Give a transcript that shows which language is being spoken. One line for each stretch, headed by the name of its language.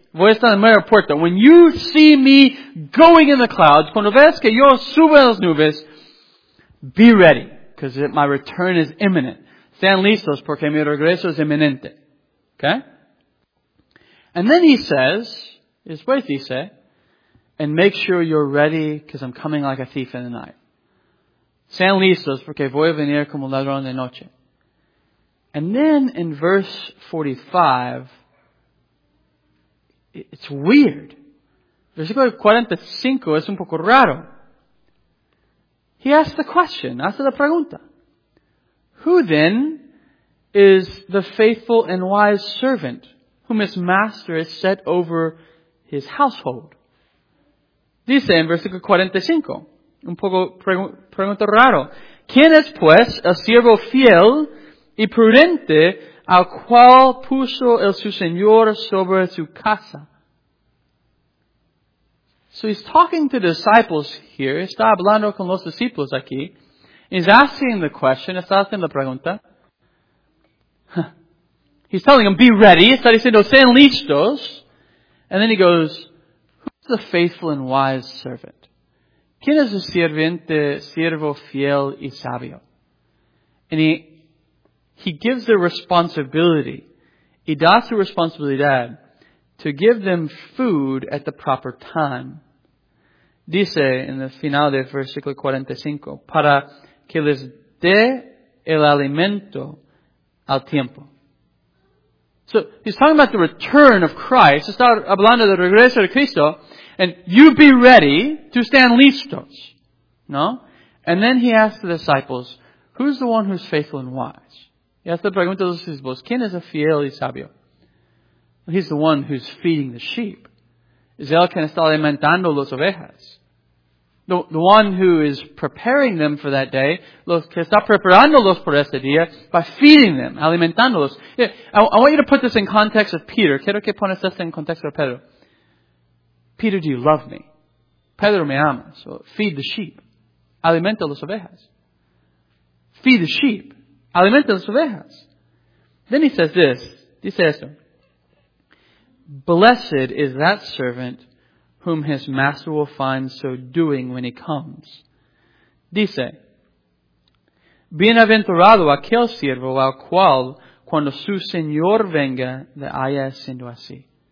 Spanish: Voy a estar en la mera puerta.
English: When you see me going in the clouds,
Spanish: cuando ves que yo subo en las nubes,
English: be ready. Because my return is imminent.
Spanish: Sean listos porque mi regreso es inminente. Okay?
English: And then He says,
Spanish: después dice,
English: and make sure you're ready because I'm coming like a thief in the night.
Spanish: Sean listos porque voy a venir como ladrón de noche.
English: And then in verse 45, it's weird.
Spanish: Versículo 45 es un poco raro.
English: He asks the question,
Spanish: hace la pregunta.
English: Who then is the faithful and wise servant whom his master has set over his household?
Spanish: Dice en versículo 45, un poco pregunta raro. ¿Quién es pues el siervo fiel y prudente al cual puso el su señor sobre su casa?
English: So he's talking to disciples here.
Spanish: Está hablando con los discípulos aquí.
English: He's asking the question.
Spanish: Está haciendo la pregunta.
English: He's telling them,
Spanish: be ready. Está diciendo, sean listos.
English: And then he goes, who's the faithful and wise servant?
Spanish: ¿Quién es el sirviente, siervo fiel y sabio?
English: And he gives the responsibility,
Spanish: y da su responsabilidad,
English: to give them food at the proper time.
Spanish: Dice en el final del versículo 45, para que les dé el alimento al tiempo.
English: So, he's talking about the return of Christ.
Spanish: Está hablando del regreso de Cristo.
English: And you be ready to stand listos. No? And then he asks the disciples, who's the one who's faithful and wise? He asks the
Spanish: pregunta a los discípulos, ¿quién es el fiel y sabio?
English: He's the one who's feeding the sheep.
Spanish: Es el que está alimentando las ovejas.
English: The one who is preparing them for that day,
Spanish: los que está preparándolos por este día,
English: by feeding them,
Spanish: alimentándolos.
English: I want you to put this in context of Peter.
Spanish: Quiero que pones esto en contexto de Pedro.
English: Peter, do you love me?
Spanish: Pedro, me ama.
English: So feed the sheep.
Spanish: Alimenta las ovejas.
English: Feed the sheep. Alimenta las ovejas. Then he says this.
Spanish: Dice esto.
English: Blessed is that servant whom his master will find so doing when he comes.
Spanish: Dice. Bienaventurado aquel siervo al cual cuando su señor venga le haya siendo así.